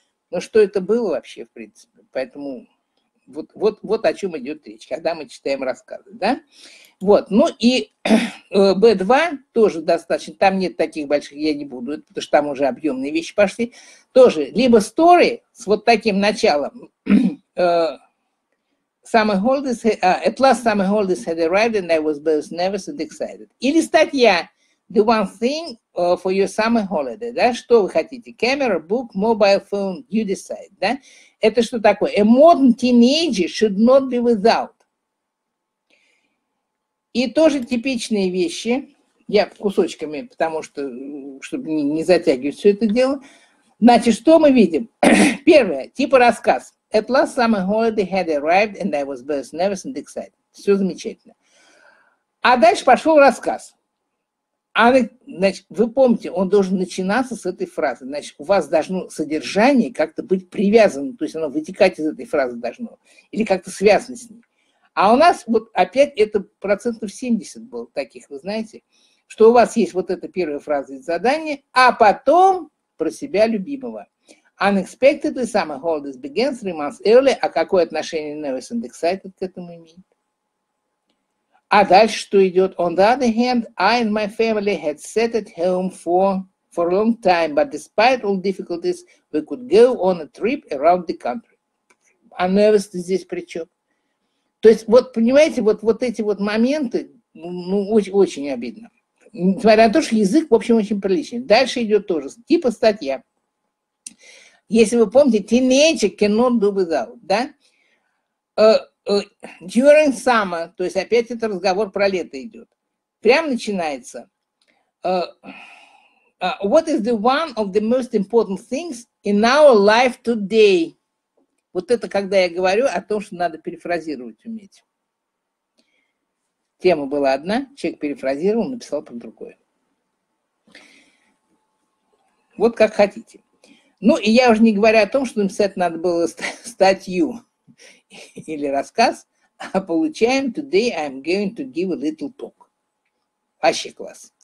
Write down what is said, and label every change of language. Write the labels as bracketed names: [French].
[Russian] Но что это было вообще, в принципе? Поэтому вот о чем идет речь, когда мы читаем рассказы. Да? Вот, ну и B2 тоже достаточно. Там нет таких больших, я не буду, потому что там уже объемные вещи пошли. Тоже либо story с вот таким началом. [English] At last summer holidays had arrived and I was both nervous and excited. [Russian] Или статья The one thing for your summer holiday, да? Что вы хотите? [English] Camera, book, mobile phone, you decide, да? Это что такое? A modern teenager should not be without. [Russian] И тоже типичные вещи. Я кусочками, потому что, чтобы не затягивать все это дело. Значит, что мы видим? Первое, типа рассказ. [English] At last summer holiday had arrived and I was both nervous and excited. [Russian] Все замечательно. А дальше пошел рассказ. Значит, вы помните, он должен начинаться с этой фразы. Значит, у вас должно содержание как-то быть привязано, то есть оно вытекать из этой фразы должно, или как-то связано с ней. А у нас вот опять это 70% было таких, вы знаете, что у вас есть вот эта первая фраза из задания, а потом про себя любимого. [English] Unexpectedly summer holidays began 3 months early. А какое отношение nervous and excited к этому имеет? [Russian] А дальше что идет? [English] On the other hand, I and my family had sat at home for a long time, but despite all difficulties, we could go on a trip around the country. [Russian] А nervous здесь при чем? То есть, вот понимаете, вот эти вот моменты, ну, очень, очень обидно. Несмотря на то, что язык, в общем, очень приличный. Дальше идет тоже, типа статья. Если вы помните, teenager cannot do without, да? During summer, то есть опять это разговор про лето идет. Прям начинается. [English] What is the one of the most important things in our life today? [Russian] Вот это когда я говорю о том, что надо перефразировать уметь. Тема была одна, человек перефразировал, написал про другое. Вот как хотите. Ну, и я уже не говорю о том, что написать надо было статью или рассказ, а получаем «Today I'm going to give a little talk». Вообще класс.